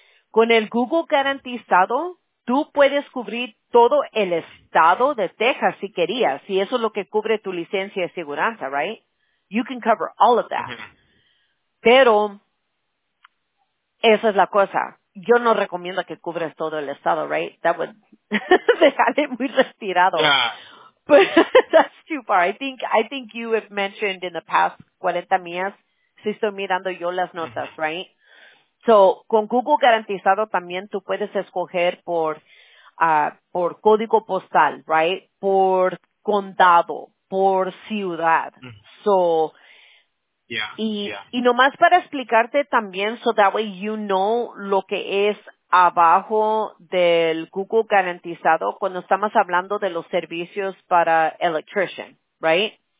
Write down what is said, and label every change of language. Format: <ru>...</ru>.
<es>Con el Google garantizado, tú puedes cubrir todo el estado de Texas si querías. Si eso es lo que cubre tu licencia de aseguranza, right?</es> <en>You can cover all of that.</en> <es>Pero esa es la cosa. Yo no recomiendo que cubres todo el estado, right?</es> <en>That would</en> <es>dejarle muy respirado.</es> <en>But that's too far. I think you have mentioned in the past</en> <es>40 millas, si estoy mirando yo las notas,</es> <en>right?</en> <es>So, con Google garantizado también tú puedes escoger por código postal, right? Por condado, por ciudad. So, Y nomás para explicarte también,</es> <en>so that way you know</en> <es>lo que es abajo del Google garantizado, cuando estamos hablando de los servicios para electrician, right?</es>